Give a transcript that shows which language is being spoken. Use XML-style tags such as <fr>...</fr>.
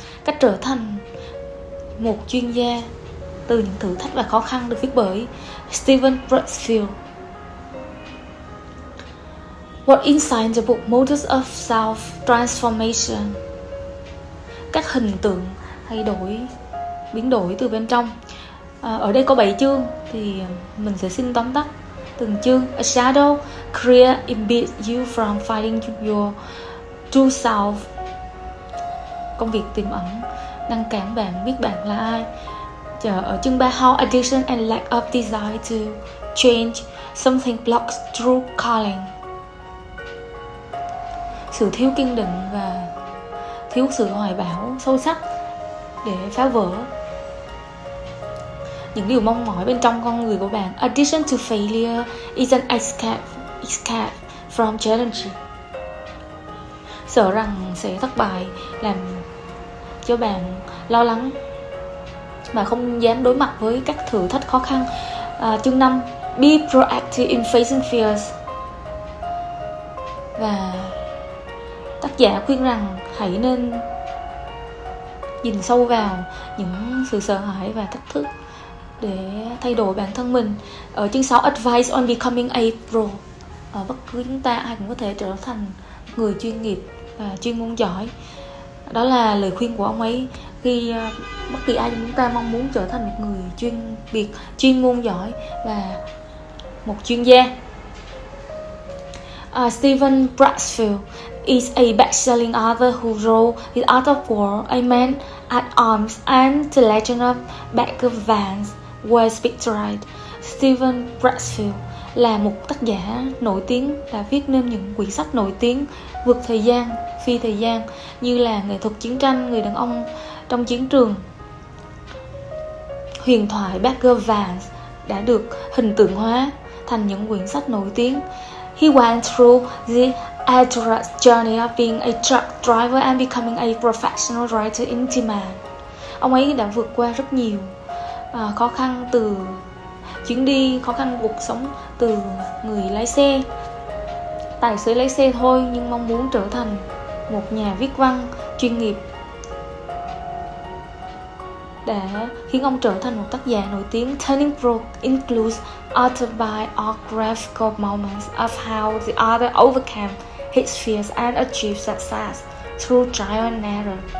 <vi>Cách trở thành một chuyên gia từ những thử thách và khó khăn được viết bởi Stephen Pressfield.</vi> <en>What inside the book Models of Self Transformation?</en> <vi>Các hình tượng thay đổi, biến đổi từ bên trong. Ở đây có 7 chương thì mình sẽ xin tóm tắt từng chương.</vi> <en>A shadow clear impedes you from finding your true self.</en> <vi>Công việc tiềm ẩn đang cản bạn biết bạn là ai. Ở chương 3,</vi> <en>how addiction and lack of desire to change something blocks true calling.</en> <vi>Sự thiếu kiên định và thiếu sự hoài bão sâu sắc để phá vỡ những điều mong mỏi bên trong con người của bạn.</vi> <en>Addiction to failure is an escape from challenge.</en> <vi>Sợ rằng sẽ thất bại làm cho bạn lo lắng mà không dám đối mặt với các thử thách khó khăn. Chương 5,</vi> <en>be proactive in facing fears.</en> <vi>Và tác giả khuyên rằng hãy nên nhìn sâu vào những sự sợ hãi và thách thức để thay đổi bản thân mình. Ở chương 6,</vi> <en>advice on becoming a pro.</en> <vi>Bất cứ chúng ta ai cũng có thể trở thành người chuyên nghiệp và chuyên môn giỏi. Đó là lời khuyên của ông ấy khi bất kỳ ai chúng ta mong muốn trở thành một người chuyên biệt, chuyên môn giỏi và một chuyên gia.</vi> <en>Stephen Pressfield is a best-selling author who wrote The Art of War, A Man at Arms, and The Legend of Bagger Vance was picturized.</en> <vi>Stephen Pressfield là một tác giả nổi tiếng, đã viết nên những quyển sách nổi tiếng vượt thời gian, phi thời gian, như là Nghệ thuật chiến tranh, Người đàn ông trong chiến trường. Huyền thoại Bagger Vance đã được hình tượng hóa thành những quyển sách nổi tiếng.</vi> <en>He went through the arduous journey of being a truck driver and becoming a professional writer in demand.</en> <vi>Ông ấy đã vượt qua rất nhiều khó khăn từ chuyến đi, khó khăn cuộc sống từ người lái xe, tài xế lái xe thôi, nhưng mong muốn trở thành một nhà viết văn chuyên nghiệp đã khiến ông trở thành một tác giả nổi tiếng.</vi> <en>Turning Pro includes autobiographical moments of how the author overcame his fears and achieved success through trial and error.</en>